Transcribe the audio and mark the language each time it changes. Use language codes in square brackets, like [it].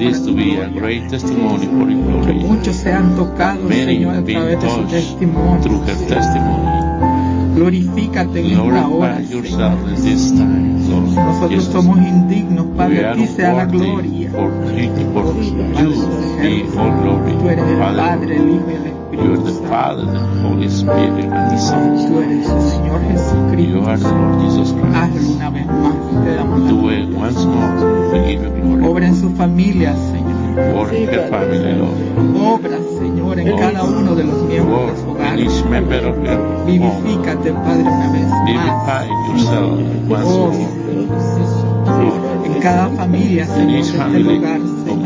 [en] Allow this to be a great testimony for your glory. [es] Que muchos sean tocados, Señor, a través de su testimonio. [en] Through her testimony. [es] Glorifícate en esta hora, [en] yourself in this time, Lord. [es] Nosotros [en] Jesus, [es] somos indignos, Padre, a ti sea la gloria. [en] For you, be all glory. [es] Tú eres el Padre, el Hijo y el Espíritu. [en] You are the Father, the Holy Spirit, and the Son. [es] Tú eres el Señor Jesucristo. [en] You are the Lord Jesus Christ. [es] Hazlo una vez más, te damos la gloria. [en] Do it once more, we give you glory. [es] Obra en su familia, Señor. [en] Work her family, Lord. [es] Obra, Señor, en cada uno de los miembros de su hogar. [en] Each member of her home. [es] Vivifícate, Padre, una vez más. [en] Vivify yourself once more. [es] En cada familia, Señor, de este lugar, Señor,